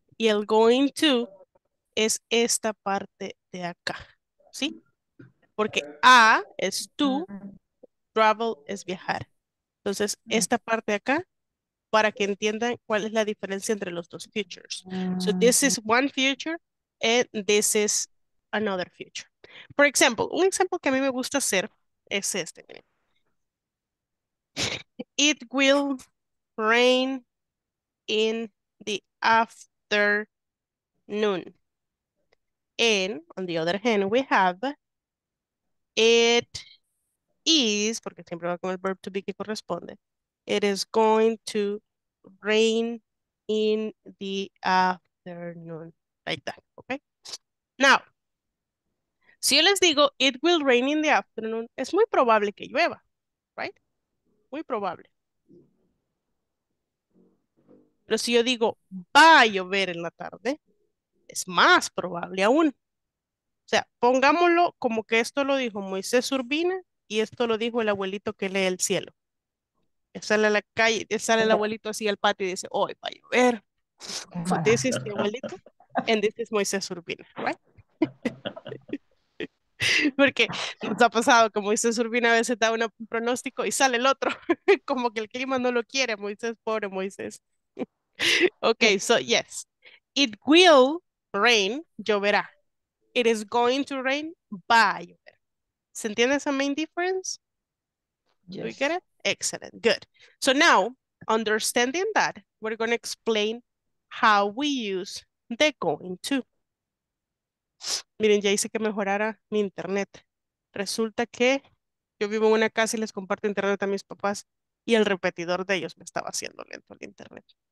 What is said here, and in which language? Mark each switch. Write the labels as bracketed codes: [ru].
[es] Y el going to es esta parte de acá, ¿sí? Porque A es to, travel es viajar. Entonces, esta parte de acá, para que entiendan cuál es la diferencia entre los dos futures. [en] So, this is one future, and this is another future. For example, [es] un ejemplo que a mí me gusta hacer es este. [en] It will rain in the afternoon. And on the other hand, we have it is, [es] porque siempre va con el verb to be que corresponde, [en] it is going to rain in the afternoon. Like that, okay? [es] Now, si yo les digo [en] it will rain in the afternoon, [es] es muy probable que llueva, [en] right? [es] Muy probable. Pero si yo digo va a llover en la tarde, es más probable aún. O sea, pongámoslo como que esto lo dijo Moisés Urbina y esto lo dijo el abuelito que lee el cielo. Sale a la calle, sale el abuelito así al patio y dice, hoy va a llover. [en] So this is the abuelito and this is Moisés Urbina, right? [es] Porque nos ha pasado que Moisés Urbina a veces da un pronóstico y sale el otro. Como que el clima no lo quiere, Moisés, pobre Moisés. [en] Ok, so yes. It will rain, [es] lloverá. [en] It is going to rain, [es] va a llover. ¿Se entiende esa [en] main difference? Yes. Do we get it? Excellent, good. So now, understanding that, we're going to explain how we use the going to. [es] Miren, ya hice que mejorara mi internet. Resulta que yo vivo en una casa y les comparto internet a mis papás y el repetidor de ellos me estaba haciendo lento el internet.